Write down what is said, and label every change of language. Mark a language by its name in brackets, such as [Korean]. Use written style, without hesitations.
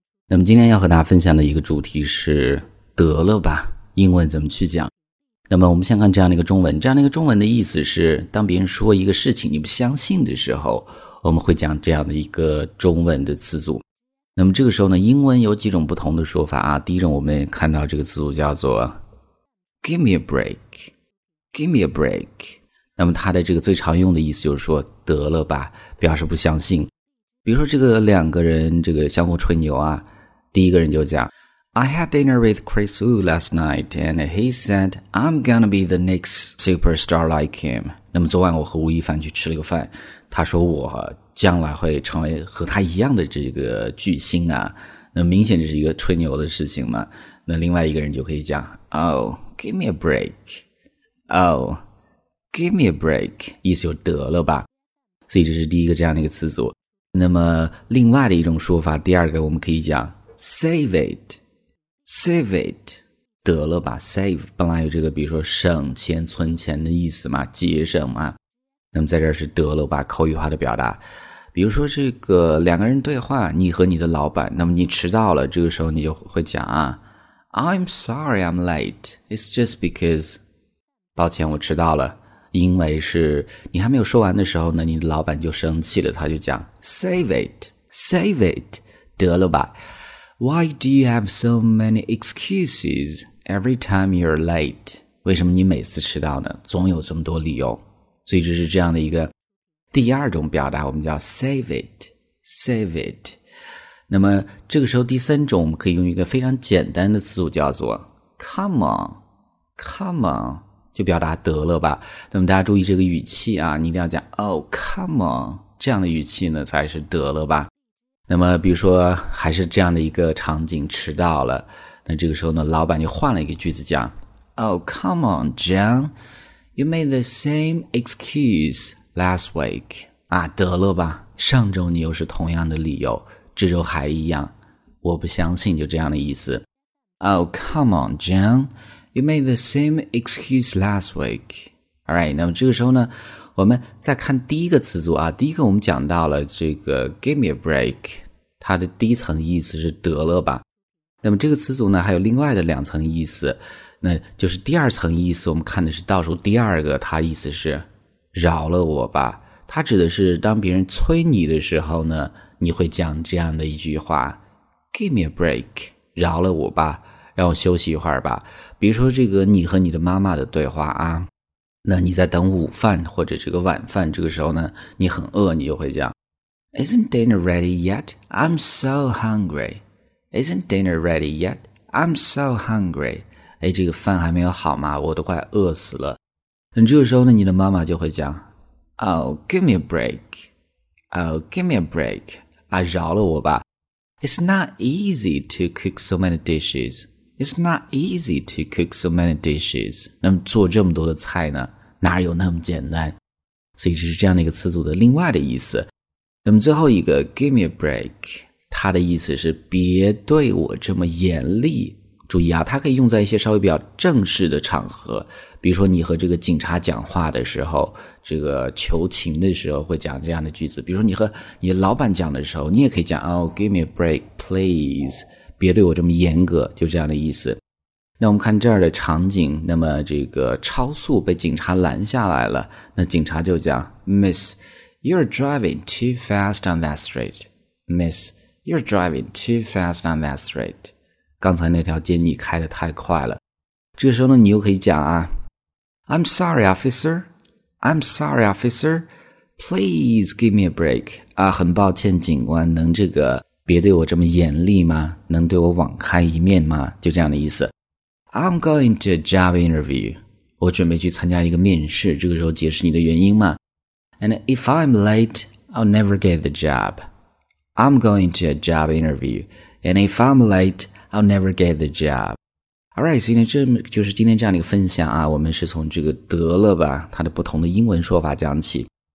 [Chinese] 那么今天要和大家分享的一个主题是得了吧，英文怎么去讲。那么我们先看这样的一个中文，这样的一个中文的意思是，当别人说一个事情你不相信的时候，我们会讲这样的一个中文的词组。那么这个时候呢，英文有几种不同的说法啊。第一种我们看到这个词组叫做 [English] Give me a break, give me a break。 [Chinese] 那么它的这个最常用的意思就是说得了吧，表示不相信。比如说这个两个人这个相互吹牛啊，第一个人就讲 [English] I had dinner with Chris Wu last night and he said I'm gonna be the next superstar like him。 [Chinese] 那么昨晚我和吴亦凡去吃了个饭，他说我将来会成为和他一样的这个巨星啊，那明显这是一个吹牛的事情嘛。那另外一个人就可以讲 [English] Oh, give me a break, OhGive me a break, [Chinese] 意思就得了吧。所以这是第一个这样的一个词组。那么另外的一种说法，第二个我们可以讲 save it, save it, 得了吧。 save 本来有这个比如说省钱存钱的意思嘛，节省嘛。那么在这是得了吧，口语化的表达。比如说这个两个人对话，你和你的老板，那么你迟到了，这个时候你就会讲啊 [English] I'm sorry I'm late, it's just because, [Chinese] 抱歉我迟到了，因为是你还没有说完的时候呢，你的老板就生气了，他就讲 Save it, save it, 得了吧。 [English] Why do you have so many excuses every time you're late? [Chinese] 为什么你每次迟到呢？总有这么多理由。所以这是这样的一个第二种表达，我们叫 Save it, save it。那么这个时候第三种我们可以用一个非常简单的词组叫做 Come on, come on,就表达得了吧。那么大家注意这个语气啊，你一定要讲 Oh, come on, 这样的语气呢才是得了吧。那么比如说还是这样的一个场景，迟到了，那这个时候呢老板就换了一个句子讲 [English] Oh, come on, John, you made the same excuse last week. [Chinese] 啊，得了吧，上周你又是同样的理由，这周还一样，我不相信，就这样的意思。 [English] Oh, come on, JohnYou made the same excuse last week. [Chinese] Alright, 那么这个时候呢，我们再看第一个词组啊。第一个我们讲到了这个 give me a break, 它的第一层意思是得了吧。那么这个词组呢还有另外的两层意思，那就是第二层意思我们看的是倒数第二个，它意思是饶了我吧。它指的是当别人催你的时候呢，你会讲这样的一句话 give me a break, 饶了我吧。让我休息一会儿吧。比如说这个你和你的妈妈的对话啊，那你在等午饭或者这个晚饭，这个时候呢你很饿，你就会讲 [English] Isn't dinner ready yet? I'm so hungry. Isn't dinner ready yet? I'm so hungry. [Chinese] 哎，这个饭还没有好吗？我都快饿死了。那这个时候呢你的妈妈就会讲 [English] Oh, give me a break. Oh, give me a break. [Chinese] 啊，饶了我吧。 [English] It's not easy to cook so many dishes. It's not easy to cook so many dishes. [Chinese] 那么做这么多的菜呢，哪有那么简单？所以这是这样的一个词组的另外的意思。那么最后一个 give me a break, 它的意思是别对我这么严厉。注意啊，它可以用在一些稍微比较正式的场合，比如说你和这个警察讲话的时候，这个求情的时候会讲这样的句子。比如说你和你老板讲的时候，你也可以讲 [English] Oh, give me a break, please. [Chinese] 别对我这么严格，就这样的意思。那我们看这儿的场景，那么这个超速被警察拦下来了，那警察就讲 [English] Miss, you're driving too fast on that street. Miss, you're driving too fast on that street. [Chinese] 刚才那条街你开得太快了。这个时候呢你又可以讲啊 [English] I'm sorry officer, I'm sorry officer, please give me a break. [Chinese] 啊，很抱歉警官，能这个别对我这么严厉吗？能对我网开一面吗？就这样的意思。 [English] I'm going to a job interview. [Chinese] 我准备去参加一个面试，这个时候解释你的原因吗？ [English] And if I'm late, I'll never get the job. I'm going to a job interview. And if I'm late, I'll never get the job. [Chinese] Alright, 所以这就是今天这样的一个分享啊，我们是从这个得了吧，它的不同的英文说法讲起。